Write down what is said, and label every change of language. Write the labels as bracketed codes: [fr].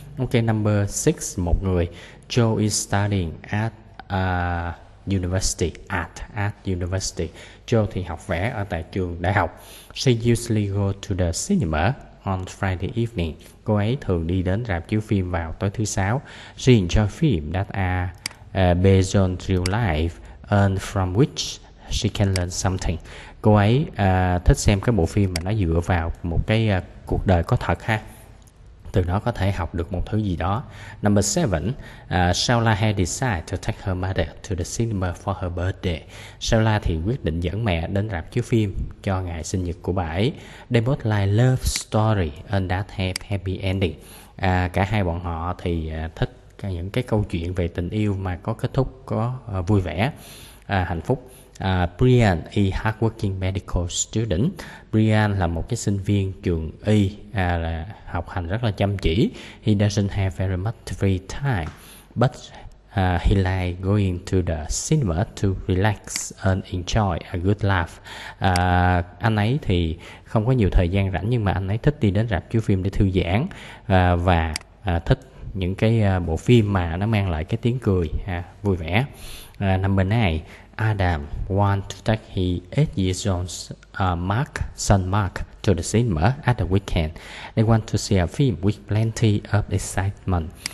[en] Ok, number 6, [vi] một người, [en] Joe is studying at university, at university. [vi] Joe thì học vẽ ở tại trường đại học. [en] She usually go to the cinema on Friday evening, [vi] cô ấy thường đi đến rạp chiếu phim vào tối thứ sáu. [en] She enjoy film that are based on real life and from which she can learn something. [vi] Cô ấy thích xem cái bộ phim mà nó dựa vào một cái cuộc đời có thật ha, từ đó có thể học được một thứ gì đó. [en] Number 7, Shaola had decided to take her mother to the cinema for her birthday. [vi] Shaola thì quyết định dẫn mẹ đến rạp chiếu phim cho ngày sinh nhật của bà ấy. [en] They both like love story and that have happy ending. [vi] Cả hai bọn họ thì thích những cái câu chuyện về tình yêu mà có kết thúc, có vui vẻ, hạnh phúc. Brian [en] a hardworking medical student. [vi] Brian là một cái sinh viên trường y, là học hành rất là chăm chỉ. [en] He doesn't have very much free time, but he likes going to the cinema to relax and enjoy a good laugh. [vi] Anh ấy thì không có nhiều thời gian rảnh, nhưng mà anh ấy thích đi đến rạp chiếu phim để thư giãn, và thích những cái bộ phim mà nó mang lại cái tiếng cười vui vẻ. [en] Number 9, Adam wants to take his 8 years old son Mark to the cinema at the weekend. They want to see a film with plenty of excitement.